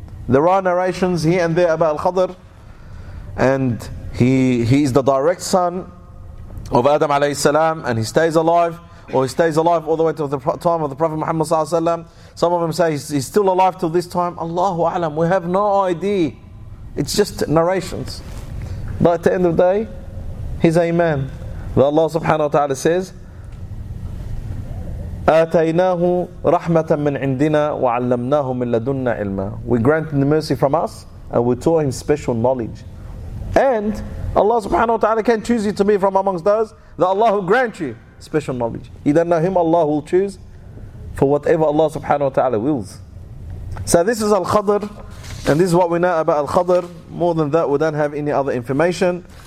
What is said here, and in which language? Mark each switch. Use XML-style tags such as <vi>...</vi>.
<en>There are narrations here and there about Al-Khadr, and he is the direct son of Adam alayhi salam, and he stays alive all the way to the time of the Prophet Muhammad sallallahu alayhi wasallam. Some of them say he's still alive till this time. Allahu alam, we have no idea. It's just narrations. But at the end of the day, he's a man. But Allah subhanahu wa ta'ala says,</en> <ar>آتَيْنَاهُ رَحْمَةً مِّنْ عِنْدِنَا وَعَلَّمْنَاهُ مِنْ لَدُنَّا عِلْمًا.</ar> <en>We grant the mercy from us and we taught him special knowledge. And Allah subhanahu wa ta'ala can choose you to be from amongst those that Allah will grant you special knowledge. You don't know him, Allah will choose for whatever Allah subhanahu wa ta'ala wills. So this is Al-Khadr, and this is what we know about Al-Khadr. More than that, we don't have any other information.</en>